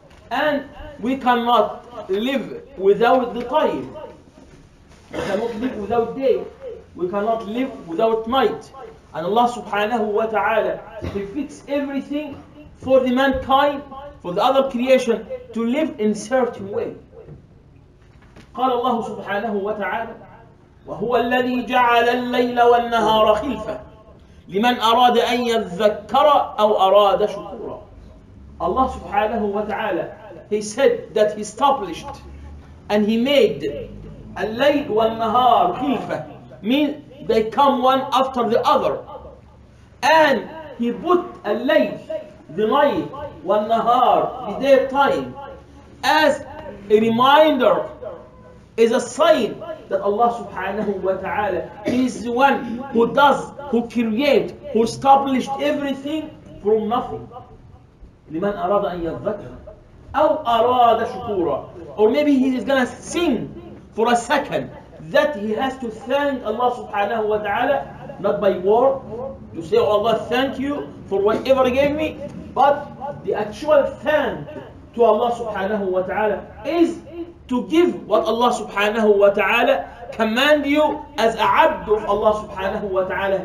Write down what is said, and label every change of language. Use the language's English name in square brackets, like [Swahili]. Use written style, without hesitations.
[English] And we cannot live without the time. We cannot live without day. We cannot live without night. And Allah subhanahu wa ta'ala, He fits everything for the mankind, for the other creation, to live in certain way. [Arabic] قال الله سبحانه وتعالى وهو الذي جعل الليل والنهار خلفة لمن أراد أن يذكر أو أراد شكورا. [English] Allah سبحانه وتعالى, He said that He established and He made الليل والنهار خلفة, mean they come one after the other, and He put الليل, the night, والنهار, the day time, as a reminder, is a sign that Allah subhanahu wa ta'ala is the one who does, who create, who established everything from nothing. [Arabic] لمن أراد أن يذكر أو أراد شكورا. [English] Or maybe he is going to sing for a second that he has to thank Allah subhanahu wa ta'ala, not by word, to say, oh Allah, thank you for whatever you gave me, but the actual thank to Allah subhanahu wa ta'ala is to give what Allah subhanahu wa ta'ala command you as a abd of Allah subhanahu wa ta'ala.